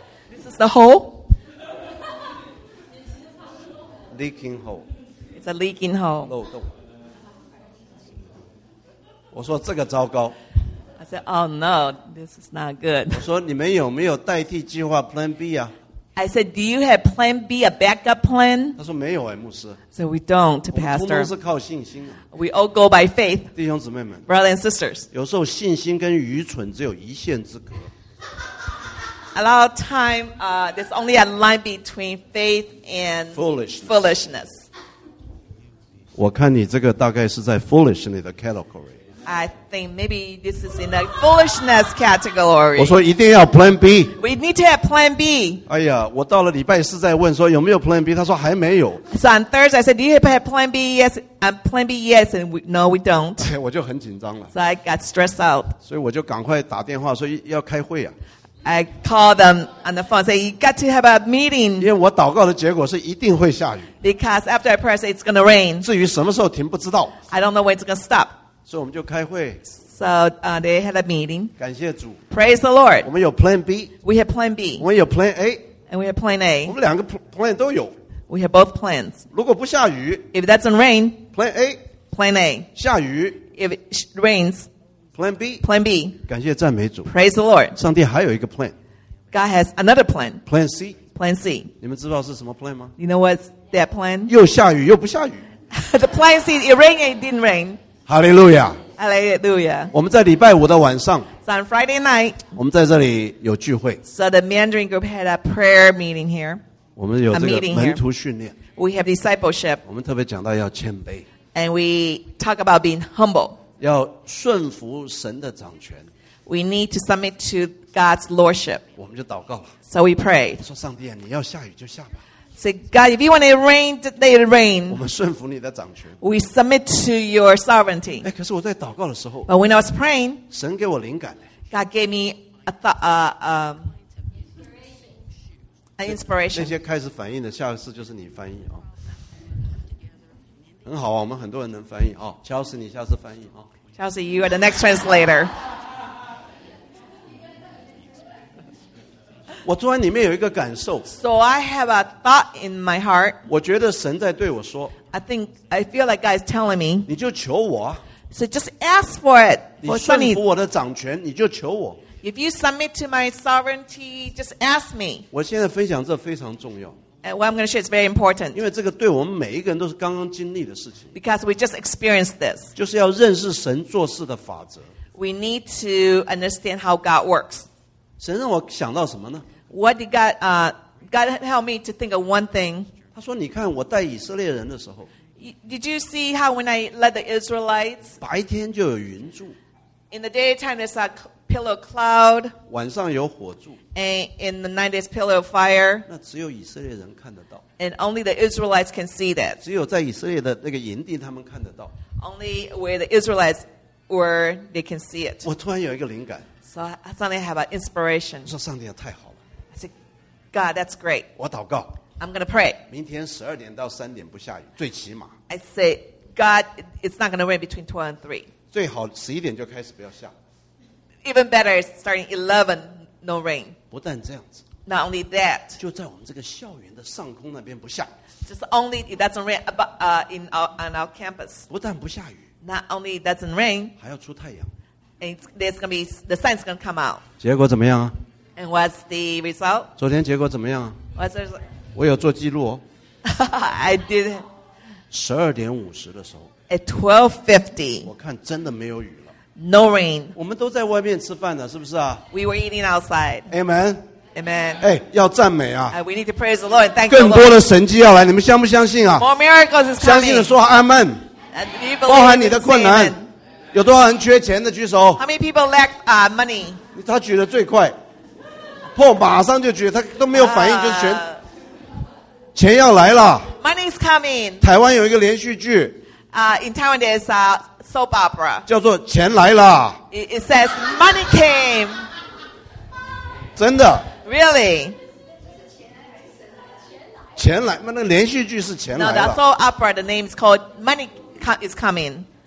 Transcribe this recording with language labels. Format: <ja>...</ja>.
<en>This is the hole. Leaking hole. It's a leaking hole.</en> <zh>漏洞。我说这个糟糕。</zh> <en>I said, "Oh no, this is not good."</en> <zh>我说你们有没有代替计划 Plan B 啊</zh> <en>？I said, "Do you have Plan B, a backup plan?"</en> <zh>他说没有哎，牧师。</zh> <en>So we don't, Pastor.</en> <zh>我们通通是靠信心的。</zh> <en>We all go by faith.</en> <zh>弟兄姊妹们</zh> <en>，brothers and sisters.</en> <zh>有时候信心跟愚蠢只有一线之隔。</zh> <en>A lot of time, there's only a line between faith and</en> <zh>foolishness. 我看你这个大概是在 foolishness 的 category.</zh> <en>I think maybe this is in the foolishness category.</en> <zh>我说一定要 plan B.</zh> <en>We need to have plan B.</en> <zh>哎呀，我到了礼拜四再问说有没有 plan B， 他说还没有。</zh> <en>So on Thursday I said, do you have plan B? Yes, and plan B, yes, and we, no, we don't.</en> <zh>我就很紧张了。</zh> <en>So I got stressed out.</en> <zh>所以我就赶快打电话说要开会啊。</zh> <en>I called them on the phone, say, you got to have a meeting.</en> <zh>因为我祷告的结果是一定会下雨。</zh> <en>Because after I pray, I say, it's going to rain.</en> <zh>至于什么时候停不知道。</zh> <en>I don't know when it's going to stop.</en> <zh>所以我们就开会。</zh> <en>So, they had a meeting.</en> <zh>感谢主。</zh> <en>Praise the Lord.</en> <zh>我们有 plan B.</zh> <en>We have plan B.</en> <zh>我们有 plan A.</zh> <en>And we have plan A.</en> <zh>我们两个 plan 都有。</zh> <en>We have both plans.</en> <zh>如果不下雨。</zh> <en>If it doesn't rain. Plan A. Plan A.</en> <zh>下雨。</zh> <en>If it rains. Plan B. Plan B.</en> <zh>感谢赞美主。</zh> <en>Praise the Lord.</en> <zh>上帝还有一个 plan.</zh> <en>God has another plan. Plan C. Plan C.</en> <zh>你们知道是什么 plan 吗？</zh> <en>You know what's that plan?</en> <zh>又下雨又不下雨。</zh> <en>The plan C, it rained and it didn't rain.</en> <zh>哈利路亚！哈利路亚！我们在礼拜五的晚上</zh> <en>，on Friday night，</en> <zh>我们在这里有聚会。</zh> <en>So the Mandarin group had a prayer meeting here.</en> <zh>我们有这个门徒训练。</zh> <en>We have discipleship.</en> <zh>我们特别讲到要谦卑。</zh> <en>And we talk about being humble.</en> <zh>要顺服神的掌权。</zh> <en>We need to submit to God's lordship.</en> <zh>我们就祷告了。</zh> <en>So we prayed.</en> <zh>说上帝啊，你要下雨就下吧。</zh> <en>Say, God, if you want to rain, let it rain.</en> <zh>我们顺服你的掌权。</zh> <en>We submit to your sovereignty.</en> <zh>哎，可是我在祷告的时候。</zh> <en>But when I was praying,</en> <zh>神给我灵感。</zh> <en>God gave me a thought, an inspiration.</en> <zh>那些开始反应的，下一次就是你翻译啊。很好啊，我们很多人能翻译啊。乔斯，你下次翻译啊。</zh> <en>乔斯， you are the next translator.</en> <zh>我突然里面有一个感受。</zh> <en>So I have a thought in my heart.</en> <zh>我觉得神在对我说。</zh> <en>I think I feel like God is telling me.</en> <zh>你就求我。</zh> <en>So just ask for it.</en> <zh>你顺服我的掌权，你就求我。</zh> <en>If you submit to my sovereignty, just ask me.</en> <zh>我现在分享这非常重要。</zh> <en>And what I'm going to share is very important.</en> <zh>因为这个对我们每一个人都是刚刚经历的事情。</zh> <en>Because we just experienced this.</en> <zh>就是要认识神做事的法则。</zh> <en>We need to understand how God works.</en> <zh>神让我想到什么呢？</zh> <en>What did God, God help me to think of one thing.</en> <zh>他说你看我带以色列人的时候。</zh> <en>Did you see how when I led the Israelites?</en> <zh>白天就有云柱。</zh> <en>In the daytime there's a pillar of cloud.</en> <zh>晚上有火柱。</zh> <en>And in the night there's pillar of fire.</en> <zh>那只有以色列人看得到。</zh> <en>And only the Israelites can see that.</en> <zh>只有在以色列的那个营地他们看得到。</zh> <en>Only where the Israelites were, they can see it.</en> <zh>我突然有一个灵感。</zh> <en>So I suddenly have an inspiration.</en> <zh>说上帝啊，太好了。</zh> <en>I said, God, that's great.</en> <zh>我祷告。</zh> <en>I'm going to pray.</en> <zh>明天十二点到三点不下雨，最起码。</zh> <en>I said, God, it's not going to rain between 12 and 3.</en> <zh>最好十一点就开始不要下。</zh> <en>Even better, starting 11, no rain.</en> <zh>不但这样子。</zh> <en>Not only that.</en> <zh>就在我们这个校园的上空那边不下。</zh> <en>Just only it doesn't rain about, in our, on our campus.</en> <zh>不但不下雨。</zh> <en>Not only it doesn't rain.</en> <zh>还要出太阳。</zh> <en>And there's gonna be the sun's gonna come out.</en> <zh>结果怎么样啊？</zh> <en>And what's the result?</en> <zh>昨天结果怎么样啊？</zh> <en>What's the</en> <zh>result? 我有做记录哦。</zh> <en>I did.</en> <zh>十二点五十的时候。</zh> <en>At 12:50.</en> <zh>我看真的没有雨了。</zh> <en>No rain.</en> <zh>我们都在外面吃饭的，是不是啊？</zh> <en>We were eating outside. Amen. Amen.</en> <zh>哎，要赞美啊！</zh> <en>We need to praise the Lord. Thank</en> <zh>you. 更多的神迹要来，你们相不相信啊？</zh> <en>More miracles is coming.</en> <zh>相信的说阿门。包含你的困难。有多少人缺钱的举手？</zh> <en>How many people lack money?</en> <zh>他举得最快，破马上就举，他都没有反应就全钱要来了。</zh> <en>Money is coming.</en> <zh>台湾有一个连续剧。</zh> <en>In Taiwan there is a soap opera.</en> <zh>叫做钱来了。</zh> <en>It says money came.</en> <zh>真的。</zh> <en>Really?</en> <zh>钱来，那连续剧是钱来了。</zh> <en>No, the soap opera, the name is called Money is Coming.</en>